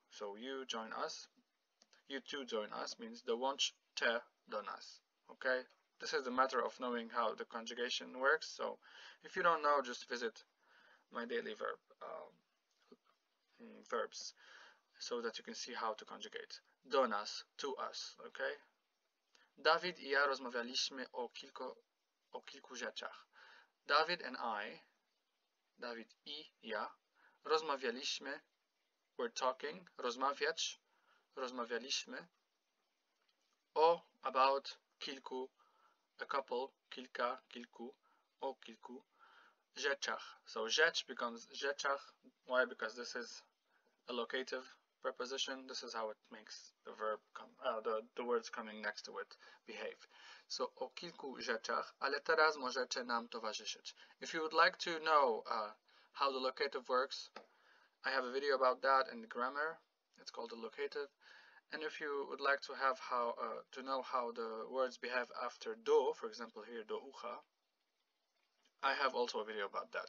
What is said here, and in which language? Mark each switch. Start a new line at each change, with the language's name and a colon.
English: So you join us, you two join us means
Polish: dołącz te do nas.
English: Okay, this is a matter of knowing how the conjugation works. So if you don't know, just visit my daily verb verbs. So that you can see how to conjugate.
Polish: Do nas,
English: to us, okay?
Polish: Dawid i ja rozmawialiśmy o kilku rzeczach. Dawid and I, Dawid i ja, rozmawialiśmy,
English: we're talking,
Polish: rozmawiać, rozmawialiśmy o, about, kilku,
English: a couple,
Polish: kilka, kilku, o kilku rzeczach.
English: So rzecz becomes rzeczach. Why? Because this is a locative preposition. This is how it makes the verb come, the words coming next to it behave.
Polish: So o kilku rzeczach, ale teraz możecie nam towarzyszyć.
English: If you would like to know how the locative works, I have a video about that in the grammar. It's called the locative. And if you would like to have how to know how the words behave after do, for example here
Polish: do ucha,
English: I have also a video about that.